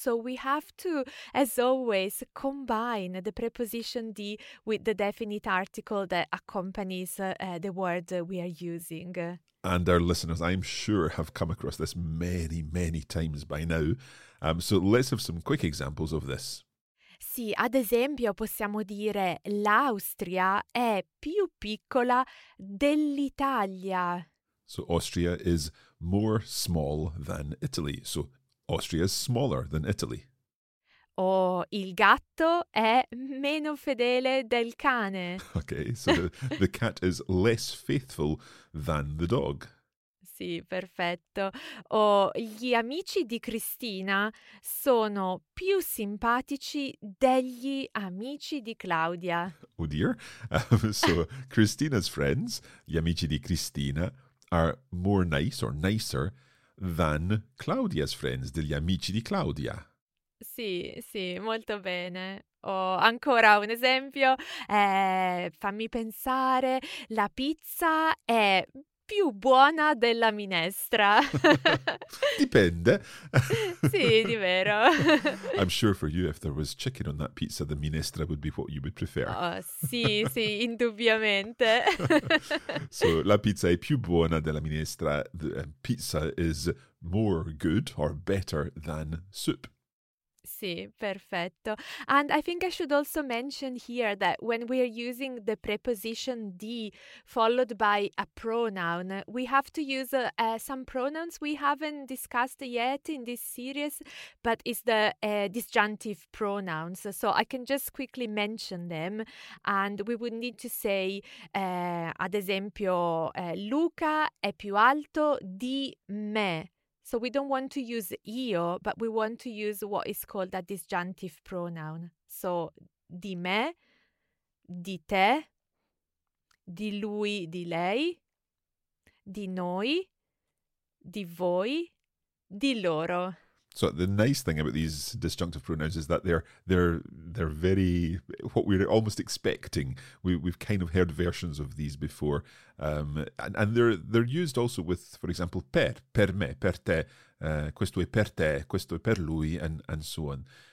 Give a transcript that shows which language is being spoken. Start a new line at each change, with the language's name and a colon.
English: So we have to, as always, combine the preposition di with the definite article that accompanies the word we are using. And our listeners, I'm sure, have come across this many, many times by now. So let's have some quick examples of this.
Italian: Sì, ad esempio possiamo dire l'Austria è più piccola dell'Italia.
English: So Austria is more small than Italy. So Austria is smaller than Italy.
Italian: O il gatto è meno fedele del cane.
English: Okay, so the cat is less faithful than the dog.
Italian: Sì, perfetto. O gli amici di Cristina sono più simpatici degli amici di Claudia.
English: Oh dear. So Cristina's friends,
Italian: gli amici di Cristina,
English: are more nice or nicer than Claudia's friends,
Italian: degli amici di Claudia. Sì, sì, molto bene. Ancora un esempio, fammi pensare, la pizza è più buona della minestra. Dipende. Sì, di vero.
English: I'm sure for you, if there was chicken on that pizza, the minestra would be what you would prefer.
Italian: Oh, sì, sì, indubbiamente. So, la pizza è più buona della minestra.
English: The pizza is more good or better than soup.
Italian: Sì, perfetto.
English: And I think I should also mention here that when we are using the preposition di followed by a pronoun, we have to use some pronouns we haven't discussed yet in this series, but it's the disjunctive pronouns. So I can just quickly mention them and we would need to say,
Italian: ad esempio, Luca è più alto di me.
English: So we don't want to use io, but we want to use what is called a disjunctive pronoun.
Italian: So di me, di te, di lui, di lei, di noi, di voi, di loro.
English: So the nice thing about these disjunctive pronouns is that they're very what we're almost expecting. We've kind of heard versions of these before, and they're used also with, for example,
Italian: per me, per te, questo è per te, questo è per lui,
English: and so on.